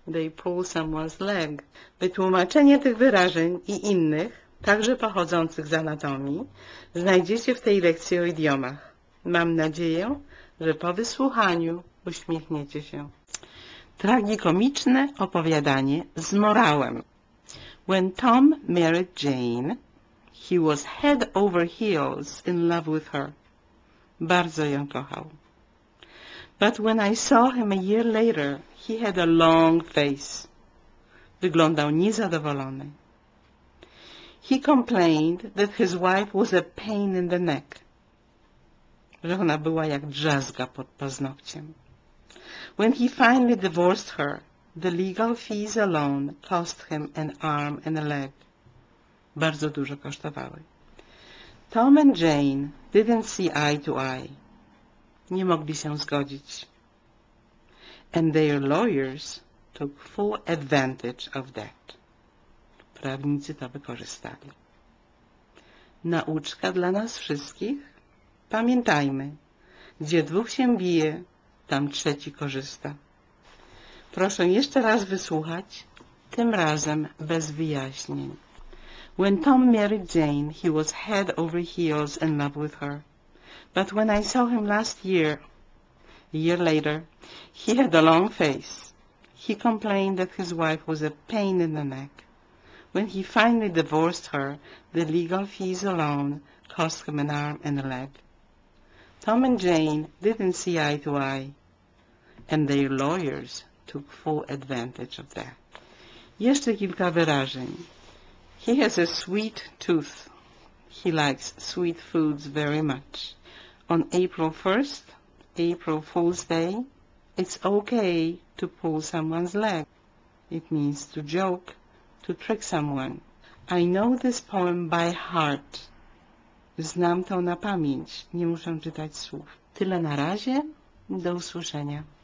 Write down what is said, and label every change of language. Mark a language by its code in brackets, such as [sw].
[en] They pull someone's leg. [pl] Wytłumaczenie tych wyrażeń i innych, także pochodzących z anatomii, znajdziecie w tej lekcji o idiomach. Mam nadzieję, że po wysłuchaniu uśmiechniecie się. Tragikomiczne opowiadanie z morałem. [en] When Tom married Jane, he was head over heels in love with her. [pl] Bardzo ją kochał. [en] But when I saw him a year later, he had a long face. [pl] Wyglądał niezadowolony. [en] He complained that his wife was a pain in the neck. [pl] Że ona była jak drzazga pod paznokciem. [en] When he finally divorced her, the legal fees alone cost him an arm and a leg. [pl] Bardzo dużo kosztowały. [en] Tom and Jane didn't see eye to eye. [pl] Nie mogli się zgodzić. [en] And their lawyers took full advantage of that. [pl] Prawnicy to wykorzystali. Nauczka dla nas wszystkich. Pamiętajmy, gdzie dwóch się bije, tam trzeci korzysta. Proszę jeszcze raz wysłuchać, tym razem bez wyjaśnień. [en] When Tom married Jane, he was head over heels in love with her. But when I saw him last year, a year later, he had a long face. He complained that his wife was a pain in the neck. When he finally divorced her, the legal fees alone cost him an arm and a leg. Tom and Jane didn't see eye to eye, and their lawyers took full advantage of that. [pl] Jeszcze kilka wyrażeń. [en] He has a sweet tooth. He likes sweet foods very much. On April 1st, April Fool's Day, it's okay to pull someone's leg. It means to joke, to trick someone. I know this poem by heart. [pl] Znam to na pamięć. Nie muszę czytać słów. Tyle na razie. Do usłyszenia.